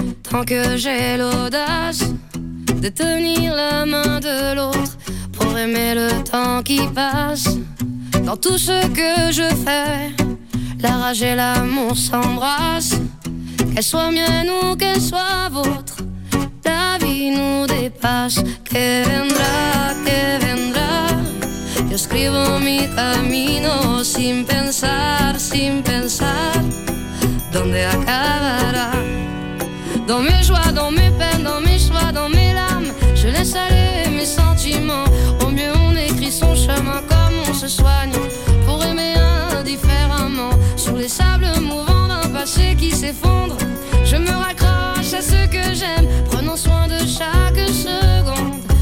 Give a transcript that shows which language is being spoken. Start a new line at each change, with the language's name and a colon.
French: Tant que j'ai l'audace de tenir la main de l'autre pour aimer le temps qui passe. Dans tout ce que je fais, la rage et l'amour s'embrassent. Qu'elle soit mienne ou qu'elle soit vôtre, la vie nous dépasse.
Spanish: Que vendra, que vendra. Yo escribo mi camino sin pensar, sin pensar dónde acabará.
French: Dans mes joies, dans mes peines, dans mes choix, dans mes larmes, je laisse aller mes sentiments. Au mieux on écrit son chemin comme on se soigne pour aimer indifféremment. Sur les sables mouvants d'un passé qui s'effondre, je me raccroche à ce que j'aime, prenant soin de chaque seconde.